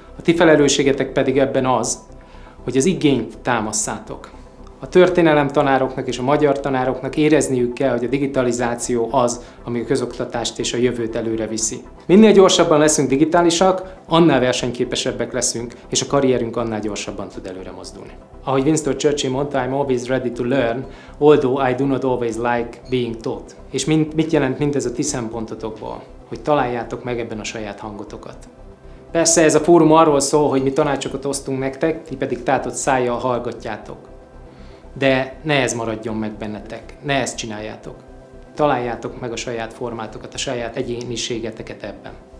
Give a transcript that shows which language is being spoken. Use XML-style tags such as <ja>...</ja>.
<hu>A ti felelősségetek pedig ebben az, hogy az igényt támasszátok. A történelem tanároknak és a magyar tanároknak érezniük kell, hogy a digitalizáció az, ami a közoktatást és a jövőt előre viszi. Minél gyorsabban leszünk digitálisak, annál versenyképesebbek leszünk, és a karrierünk annál gyorsabban tud előre mozdulni. Ahogy Winston Churchill mondta,</hu> <en>I'm always ready to learn, although I do not always like being taught.</en> <hu>És mit jelent mindez a ti szempontotokból? Hogy találjátok meg ebben a saját hangotokat. Persze ez a fórum arról szól, hogy mi tanácsokat osztunk nektek, ti pedig tátott szájjal hallgatjátok. De ne ez maradjon meg bennetek, ne ezt csináljátok. Találjátok meg a saját formátokat, a saját egyéniségeteket ebben.</hu>